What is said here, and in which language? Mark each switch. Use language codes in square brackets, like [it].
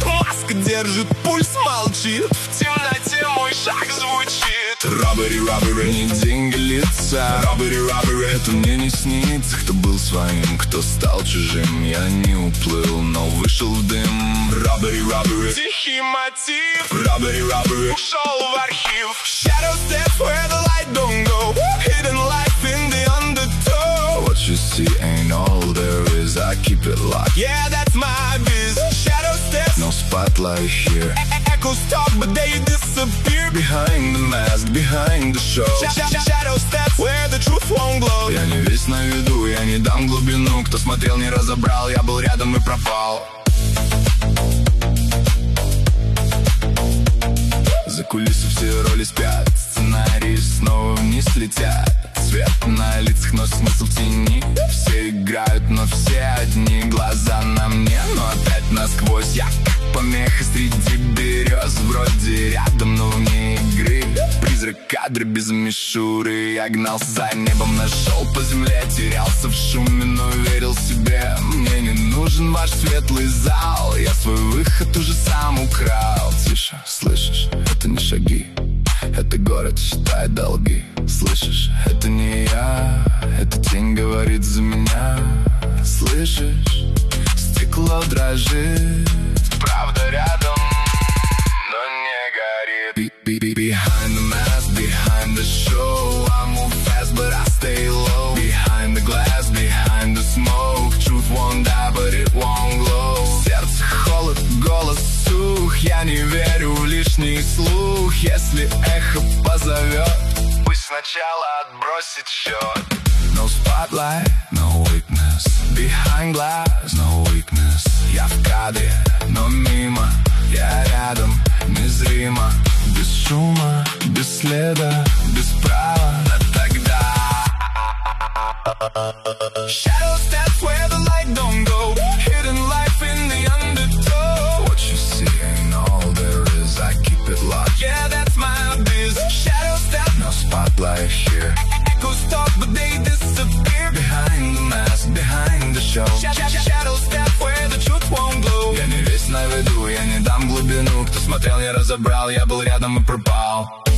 [ru] Маска держит пульс, молчит. В темноте мой шаг звучит. Robbery-robbery, не деньги лица. Robbery-robbery, это мне не снится. Кто был своим, кто стал чужим. Я не уплыл, но вышел в дым. Robbery-robbery, тихий мотив. Robbery-robbery, ушел в архив. [en] Shadow steps where the light don't go. Hidden life in the undertow. What you see ain't all there is. I keep it locked. Yeah, that's my biz. Shadow steps, no spotlight here. Echoes talk, but they disappear. Behind the mask, behind the show. Shadow steps where the truth won't glow. [ru] Я не весь на виду, я не дам глубину. Кто смотрел, не разобрал. Я был рядом и пропал. За кулисы все роли спят. Сценарии снова вниз летят. Свет на лицах, но смысл в тени. Все играют, но все одни. Глаза на мне, но опять насквозь. Я помеха среди берез. Вроде рядом, но вне игры. Призрак кадры без мишуры. Я гнался за небом, нашел по земле. Терялся в шуме, но верил себе. Мне не нужен ваш светлый зал. Я свой выход уже сам украл. Тише, слышишь, это не шаги. Это город, считай долги. Слышишь, это не я. Это тень говорит за меня. Слышишь, стекло дрожит. Правда рядом, но не горит. [en] Behind the mask, behind the show. I move fast, but I stay low. Behind the glass, behind the smoke. Truth won't die, but it won't glow. [ru] Сердце холод, голос сух. Я не верю в лишний слух. Если эхо позовет, сначала отбросить счет. [en] No spotlight, no witness. Behind glass, no weakness. [ru] Я в кадре, но мимо. Я рядом, незримо. Без шума, без следа, без права. Да тогда. [en] Shadow steps where the light don't go. Hidden life in the undertow. What you see ain't all there is. I keep it locked. Yeah, that's my biz. Shadow steps. Spotlight here. Echoes talk, but they disappear. Behind the mask, behind the show. Shadow step where the truth won't glow. [ru] Я не весь на виду, я не дам глубину. Кто смотрел, я разобрал. Я был рядом и пропал.